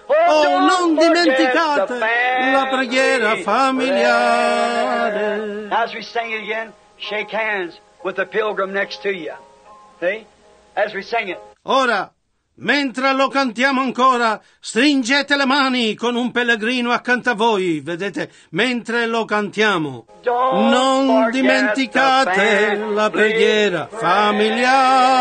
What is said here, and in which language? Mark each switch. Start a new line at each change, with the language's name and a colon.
Italian: Oh, non dimenticate la preghiera familiare.
English: As we sing it again, shake hands with the pilgrim next to you. See? As we sing it.
Italian: Ora, mentre lo cantiamo ancora, stringete le mani con un pellegrino accanto a voi, vedete, mentre lo cantiamo. Non dimenticate la preghiera familiare.